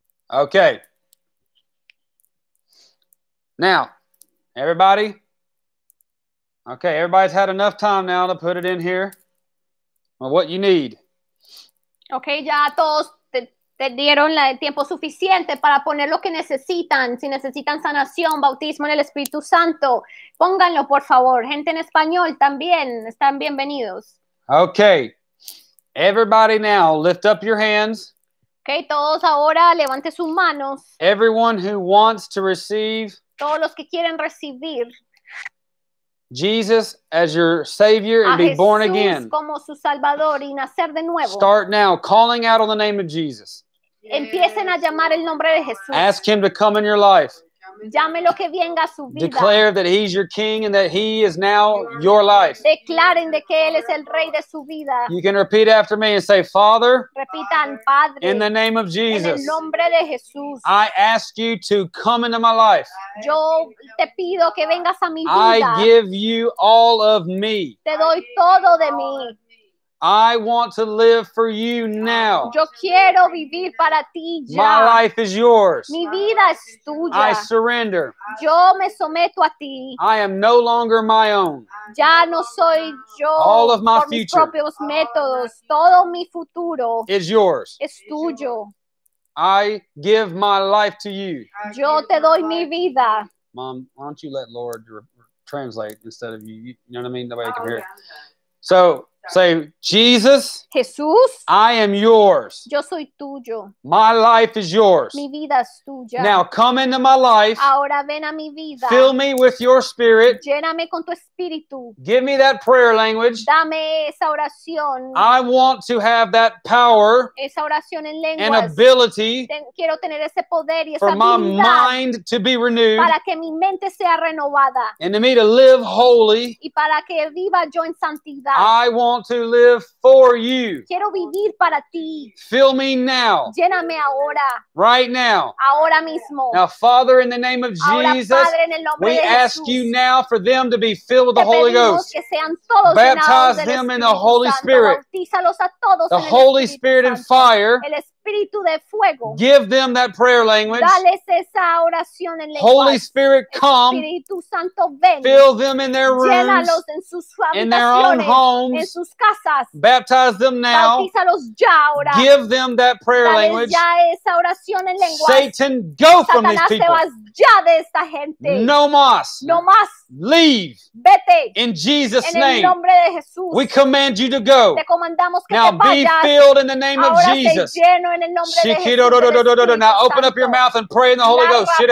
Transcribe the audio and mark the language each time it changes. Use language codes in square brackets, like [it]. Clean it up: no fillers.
[en] Okay. Now, everybody. Okay, everybody's had enough time now to put it in here. Well, what you need. [es] Okay, ya todos te dieron el tiempo suficiente para poner lo que necesitan. Si necesitan sanación, bautismo en el Espíritu Santo, pónganlo, por favor. Gente en español también, están bienvenidos. [en] Okay, everybody now, lift up your hands. [es] Okay, todos ahora levanten sus manos. [en] Everyone who wants to receive. [es] Todos los que quieren recibir. [en] Jesus as your Savior and a be [es] Jesús [en] born again. [es] Como su Salvador y nacer de nuevo. [en] Start now calling out on the name of Jesus. Yes. [es] Empiecen a llamar el nombre de Jesús. [en] Ask him to come in your life. [es] Llámelo que venga a su vida. [en] Declare that he's your king and that he is now your life. [es] Declaren de que él es el rey de su vida. [en] You can repeat after me and say, Father, [es] repitan, Padre, [en] in the name of Jesus, [es] en el nombre de Jesús, [en] I ask you to come into my life. [es] Yo te pido que vengas a mi vida. [en] I give you all of me. [es] Te doy todo de mí. [en] I want to live for you now. [es] Yo quiero vivir para ti ya. [en] My life is yours. [es] Mi vida es tuya. [en] I surrender. [es] Yo me someto a ti. [en] I am no longer my own. [es] Ya no soy yo. [en] All of my future. [es] Por mis propios métodos. Todo mi futuro. [en] Is yours. [es] Es tuyo. [en] I give my life to you. [es] Yo te doy mi vida. [en] Mom, why don't you let Lord translate instead of you? You know what I mean? Nobody can hear it. So, say, Jesus, [es] Jesús, [en] I am yours. [es] Yo soy tuyo. [en] My life is yours. [es] Mi vida es tuya. [en] Now come into my life. [es] Ahora ven a mi vida. [en] Fill me with your spirit. [es] Lléname con tu espíritu. [en] Give me that prayer language. [es] Dame esa oración. [en] I want to have that power, [es] esa oración en lenguas, [en] and ability [es] quiero tener ese poder y esa [en] for my mind to be renewed, [es] para que mi mente sea renovada, [en] and to me to live holy, [es] y para que viva yo en santidad. [en] I want to live for you. [es] Quiero vivir para ti. [en] Fill me now. [es] Lléname ahora. [en] Right now. [es] Ahora mismo. [en] Now, Father, in the name of [es] ahora, [en] Jesus, [es] Padre, en el nombre [en] we [es] de Jesús, [en] ask you now for them to be filled with the Holy Ghost. [es] Que sean todos [en] baptize them [es] Espíritu [en] in the Holy [es] Santo. [en] Spirit. [es] Bautízalos a todos [en] the [es] en el [en] Holy [es] Espíritu [en] Spirit [es] Santo. [en] And fire. [es] El Espíritu de fuego. [en] Give them that prayer language. [es] Dales esa oración en lenguas. [en] Holy Spirit, come. [es] Espíritu Santo, ven. [en] Fill them in their rooms. [es] Llénalos en sus habitaciones. [en] In their own homes. [es] En sus casas. [en] Baptize them now. [es] Bautízalos ya ahora. [en] Give them that prayer language. [es] Ya esa oración en lenguas. [en] Satan, go [es] Satanás [en] from these people. [es] Te vas ya de esta gente. No más. No más. [en] Leave. [es] Vete. [en] In Jesus' [es] en [en] name. [es] El nombre de Jesús. [en] We command you to go. [es] Te comandamos que [en] now [es] te vayas. [en] Be filled in the name [es] ahora [en] of Jesus. [es] Lleno en el nombre de Jesús. [en] Now open up your mouth and pray in the Holy Ghost.